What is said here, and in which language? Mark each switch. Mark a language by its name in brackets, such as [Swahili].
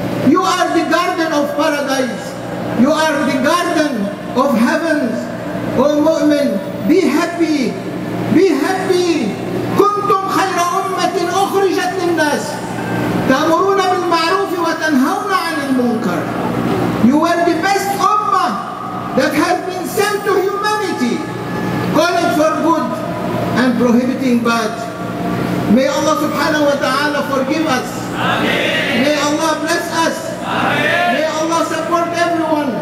[English] You are the garden of paradise. You are the garden of heavens. O mu'min, be happy. Be happy. [Arabic] كنتم خير أمة أخرجت للناس تأمرون بالمعروف وتنهون عن المنكر. [English] You are the best ummah that has been sent to humanity, calling for good and prohibiting bad. May Allah subhanahu wa ta'ala forgive us. Amen. May Allah bless us. Amen. May Allah support everyone.